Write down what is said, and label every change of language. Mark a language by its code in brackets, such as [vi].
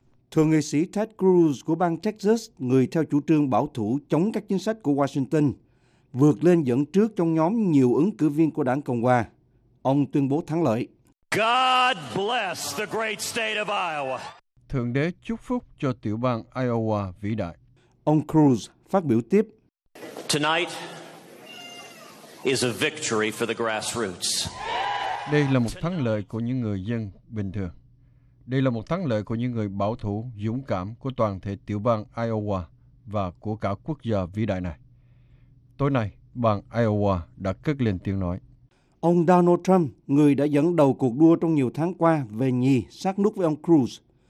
[vi] Thượng nghị sĩ Ted Cruz của bang Texas, người theo chủ trương bảo thủ chống các chính sách của Washington, vượt lên dẫn trước trong nhóm nhiều ứng cử viên của Đảng Cộng Hòa. Ông tuyên bố thắng lợi. [en] God bless the great state of Iowa. [vi] Thượng đế chúc phúc cho tiểu bang Iowa vĩ đại. Ông Cruz phát biểu tiếp. [en] Tonight is a victory for the grassroots. [vi] Đây là một thắng lợi của những người dân bình thường. Đây là một thắng lợi của những người bảo thủ dũng cảm của toàn thể tiểu bang Iowa và của cả quốc gia vĩ đại này. Tối nay, bang Iowa đã cất lên tiếng nói. Ông Donald Trump, người đã dẫn đầu cuộc đua trong nhiều tháng qua, về nhì sát nút với ông Cruz.